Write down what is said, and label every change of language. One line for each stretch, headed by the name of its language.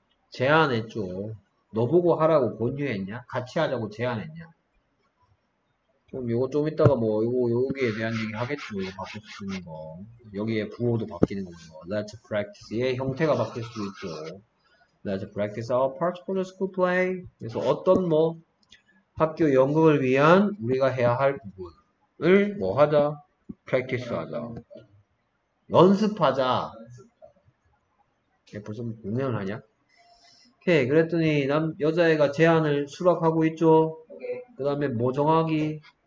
Korean: 제안했죠. 너보고 하라고 권유했냐? 같이 하자고 제안했냐? 그럼 요거 좀 이따가 뭐 여기에 대한 얘기 하겠죠. 이거 바뀔 수 있는 거. 여기에 부호도 바뀌는 거죠.
English: Let's practice.
Korean: 얘 형태가 바뀔 수도 있죠.
English: Let's practice our part for the school play.
Korean: 그래서 어떤 뭐 학교 연극을 위한 우리가 해야 할 부분을 뭐 하자? 프랙티스 하자. 연습하자. 얘 벌써 공연을 하냐? 오케이. 그랬더니 여자애가 제안을 수락하고 있죠. 그 다음에 뭐 정하기?